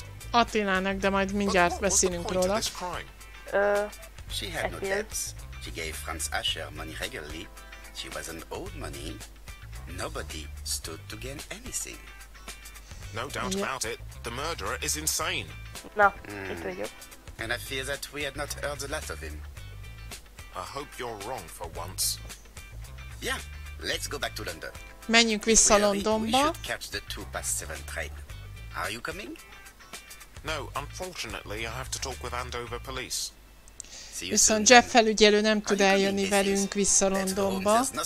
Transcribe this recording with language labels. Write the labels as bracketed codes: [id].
[hu] Attilának, de majd mindjárt beszélünk róla. [en] She gave Franz Asher money regularly. She was an old money. Nobody stood to gain anything. No doubt about it. The murderer is insane. No, it's you. And I fear that we had not heard the last of him. I hope you're wrong for once. Yeah, let's go back to London. [hu] Menjünk vissza Londonba. [en] We should catch the 2:07 train. Are you coming? No, unfortunately, I have to talk with Andover police. [hu] Viszont Jeff felügyelő nem tud eljönni velünk vissza Londonba.